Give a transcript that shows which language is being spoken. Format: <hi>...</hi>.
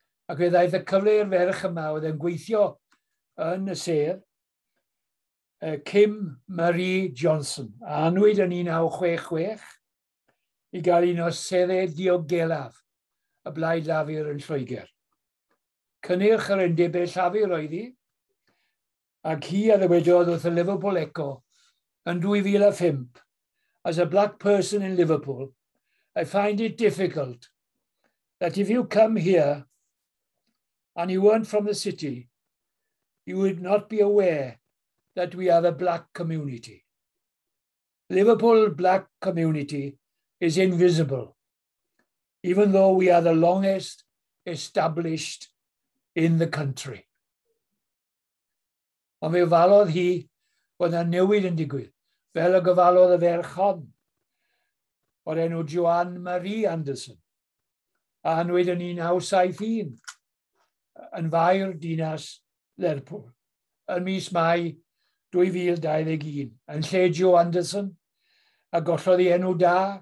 <cy>Ac fe ddaeth y cyfle i'r ferch yma oedd yn gweithio yn y sedd, Kim Marie Johnson, a anwyd yn 1966 i gael un o seddau diogelaf y Blaid Lafur yn Lloegr. Cynnyrch yr undebau llafur oedd hi, ac hi a ddewedodd wrth y Liverpool Echo yn 2005,</cy> <en>as a black person in Liverpool, I find it difficult that if you come here and you weren't from the city, you would not be aware that we are the black community. Liverpool black community is invisible, even though we are the longest established in the country.</en> <cy>Ond fe ofalodd hi bod na newid yn digwydd, fel y gofalodd y ferch hon, o'r enw Joanne Marie Anderson, a anwyd yn 1971 yn fair dinas Lerpwl, yn mis Mai 2021, yn lle Joe Anderson, a gollodd ei enw da,</cy>